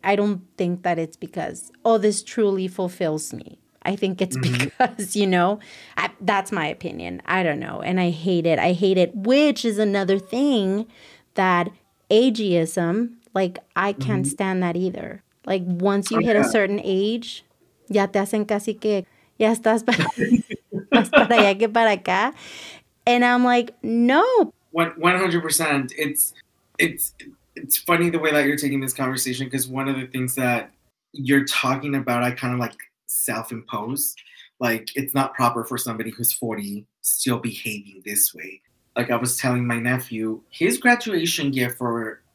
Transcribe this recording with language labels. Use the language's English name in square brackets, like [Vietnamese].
[English] I don't think that it's because, oh, this truly fulfills me. I think it's because, you know, that's my opinion. I don't know. And I hate it. I hate it, which is another thing that ageism, like, I can't stand that either. Like, once you hit a certain age, [Spanish] Ya te hacen casi que ya estás más para allá que para acá. [English] And I'm like, no. 100%. It's funny the way that you're taking this conversation, because one of the things that you're talking about, I kind of like self-imposed. Like, it's not proper for somebody who's 40 still behaving this way. Like, I was telling my nephew, his graduation gift for...